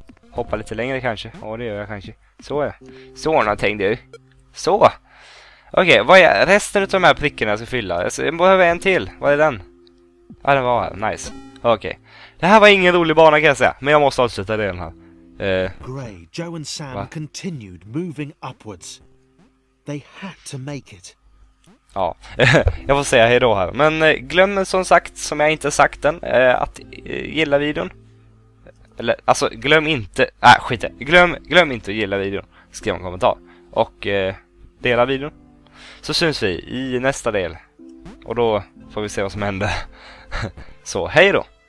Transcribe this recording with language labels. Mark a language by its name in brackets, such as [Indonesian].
[Swedish] Hoppa lite längre kanske? Ja, det gör jag kanske. Så är det. Så någonting du. Så! Okej, okay, vad är resten av de här prickarna jag ska fylla? Jag behöver en till. Vad är den? Ja, den var här. Nice. Okej. Det här var ingen rolig bana kan jag säga, men jag måste avsluta den här. Gray, Joe and Sam va? [English] Continued moving upwards. They had to make it. [Swedish] Ja, jag får säga hejdå här. Men glöm som sagt, som jag inte sagt än, att gilla videon. Eller, alltså, glöm inte... skit. Glöm inte att gilla videon. Skriv en kommentar. Och dela videon. Så syns vi i nästa del. Och då får vi se vad som händer. Så, hejdå!